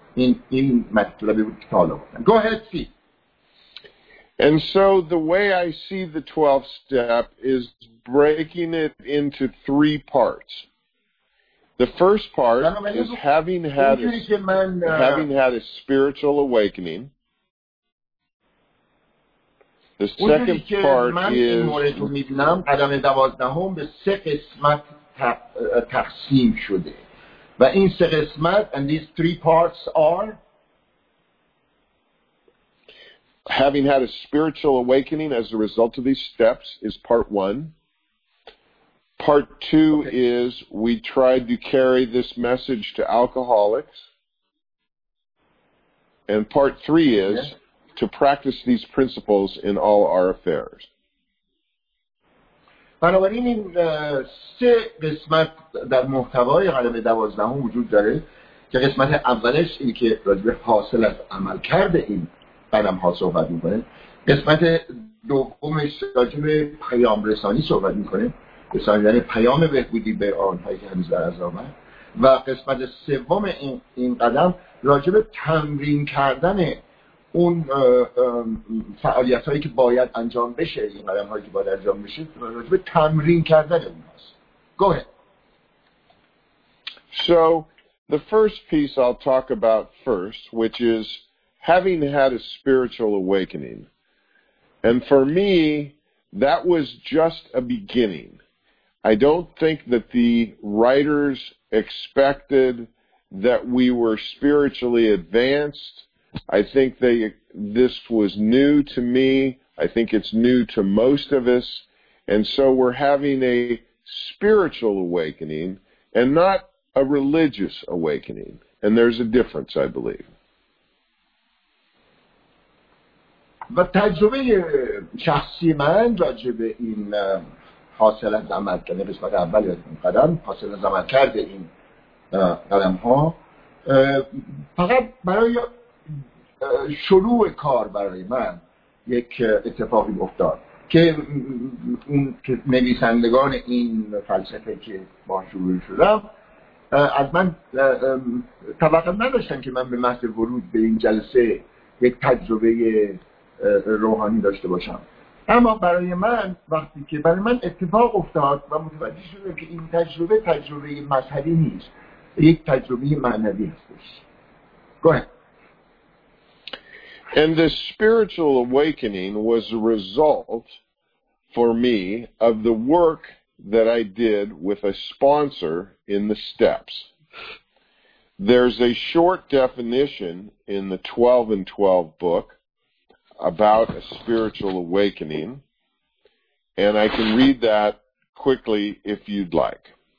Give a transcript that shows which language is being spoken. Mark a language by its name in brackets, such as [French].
[Persian] این مطلبی بود که تا حالا گفتم. [English] Go ahead, Steve. And so the way I see the 12th step is breaking it into three parts. The first part is having had a spiritual awakening. The second part is [Persian] قدم 12 به سه قسمت تقسیم شده. و این سه قسمت [English] and these three parts are having had a spiritual awakening as a result of these steps is part one. Part two is we tried to carry this message to alcoholics. And part three is to practice these principles in all our affairs. [Persian] بنابراین این سه قسمت در محتوای قدم 12 وجود داره، که قسمت اولش این که راجع به حاصل از عمل کرده این قدم ها صحبت میکنه، قسمت دومش راجع به پیام رسانی صحبت میکنه، رسانیدن پیام بهبودی به آنهایی که هنوز در عذاب هستند، و قسمت سوم این قدم راجع به تمرین کردن اون فعالیت هایی که باید انجام بشه، این قدم هایی که باید انجام بشه راجع به تمرین کردن اون هست. [English] Go ahead. So the first piece I'll talk about first, which is having had a spiritual awakening. And for me, that was just a beginning. I don't think that the writers expected that we were spiritually advanced. I think this was new to me. I think it's new to most of us. And so we're having a spiritual awakening and not a religious awakening. And there's a difference, I believe. [Persian] و تجربه شخصی من راجع به این حاصل از عمل کرده قسمت اول قدم، حاصل از عمل کرده این قدم ها فقط برای شروع کار برای من یک اتفاقی افتاد، که اون که نویسندگان این فلسفه که با شروع شدم از من توقع نداشتن که من به محض ورود به این جلسه یک تجربه روحانی داشته باشم، اما برای من وقتی که برای من اتفاق افتاد و متوجه شدم که این تجربه تجربه مذهبی نیست، یک تجربه معنوی هستش. [English] گوهن. And the spiritual awakening was a result for me of the work that I did with a sponsor in the steps. There's a short definition in the 12 and 12 book about a spiritual awakening, and I can read that quickly if you'd like.